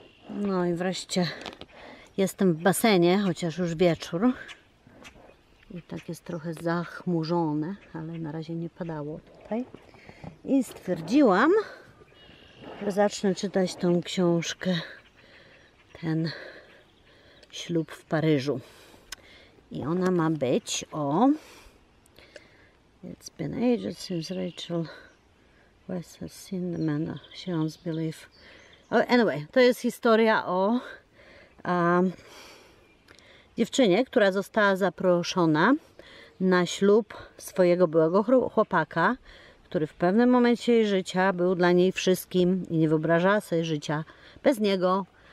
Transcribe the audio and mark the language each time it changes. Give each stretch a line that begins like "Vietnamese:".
Polish: No i wreszcie jestem w basenie, chociaż już wieczór. I tak jest trochę zachmurzone, ale na razie nie padało tutaj. I stwierdziłam, że zacznę czytać tą książkę, ten Ślub w Paryżu. I ona ma być o
English: It's been ages since Rachel West has seen the man she once believed.
Polish: Anyway, to jest historia o dziewczynie, która została zaproszona na ślub swojego byłego chłopaka, który w pewnym momencie jej życia był dla niej wszystkim i nie wyobrażała sobie życia bez niego.